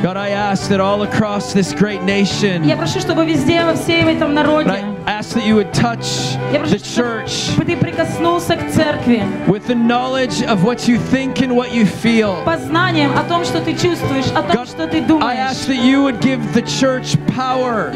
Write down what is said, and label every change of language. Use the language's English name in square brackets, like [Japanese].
[English] God, I ask that all across this great nation. [Russian] Я прошу, чтобы везде во всей этом народе. [English] Ask that you would touch the church. [Russian] Ты прикоснулся к церкви. [English] With the knowledge of what you think and what you feel. [Russian] Познанием о том, что ты чувствуешь, о том, что ты думаешь. [English] I ask that you would give the church power.